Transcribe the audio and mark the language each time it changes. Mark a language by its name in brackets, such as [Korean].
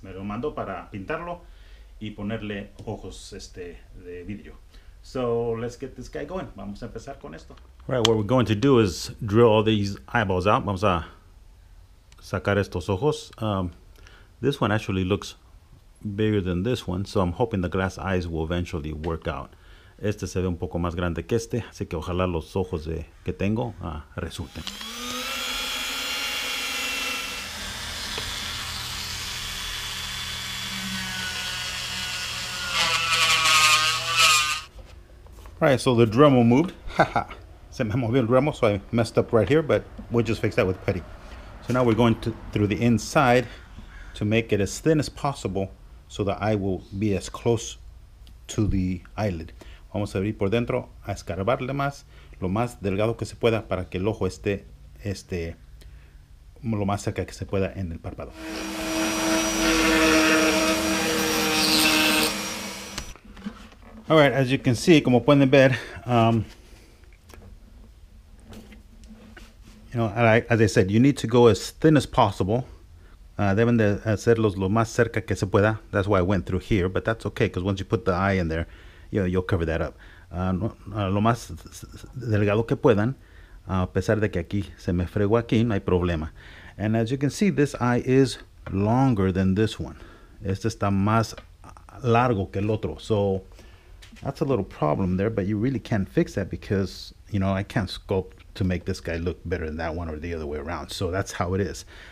[Spanish] Me lo mandó para pintarlo y ponerle ojos de vidrio. [English] So let's get this guy going. [Spanish] Vamos a empezar con esto. [English] Right, what we're going to do is drill all these eyeballs out. [Spanish] Vamos a sacar estos ojos. [English] This one actually looks bigger than this one, so I'm hoping the glass eyes will eventually work out. [Spanish] Este se ve un poco más grande que este, así que ojalá los ojos que tengo resulten. [English] Right, so the Dremel moved. [Spanish] Se me movió el Dremel, [English] so I messed up right here, but we'll just fix that with putty. So now we're going to through the inside to make it as thin as possible so the eye will be as close to the eyelid. [Spanish] Vamos a abrir por dentro, a escarbarle más, lo más delgado que se pueda para que el ojo esté lo más cerca que se pueda en el párpado. [English] All right, as you can see, [Spanish] como pueden ver, [English] you know, as I said, you need to go as thin as possible. [Spanish] Deben de hacerlos lo más cerca que se pueda. [English] That's why I went through here, but that's okay, because once you put the eye in there, you know, you'll cover that up. [Spanish] Lo más delgado que puedan, a pesar de que aquí se me fregó aquí, no hay problema. [English] And as you can see, this eye is longer than this one. [Spanish] Este está más largo que el otro. [English] So that's a little problem there, but you really can't fix that because, you know, I can't sculpt to make this guy look better than that one or the other way around. So that's how it is.